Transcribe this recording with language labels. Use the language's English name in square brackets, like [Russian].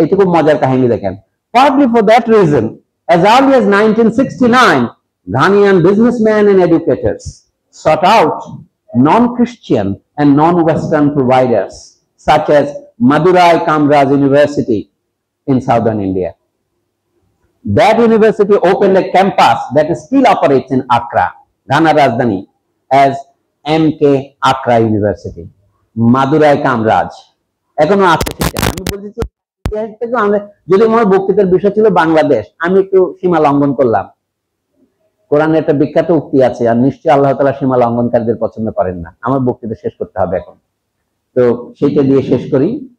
[Bangla] এইটুকু মজার কাহিনী দেখেন। [English] Partly for that reason as early as 1969 Ghanaian businessman and educators sort out non Christian and non western providers such as Madurai Kamraj University in southern India. That university opened a campus that still operates in Accra, Ghana Rajdhani, as MK Accra University. [Bangla] Madurai Kamraj. এখনো আছে সেটা। আমি বলছি যে যদি আমার বক্তৃতার বিষয় ছিল বাংলাদেশ, আমি একটু সীমা লঙ্ঘন করলাম। কোরআনে একটা বিখ্যাত উক্তি আছে, আর নিশ্চয়ই আল্লাহ তাআলা সীমা লঙ্ঘনকারীদের পছন্দ করেন না। আমার বক্তৃতা শেষ করতে হবে এখন, তো সেটা দিয়ে শেষ করি।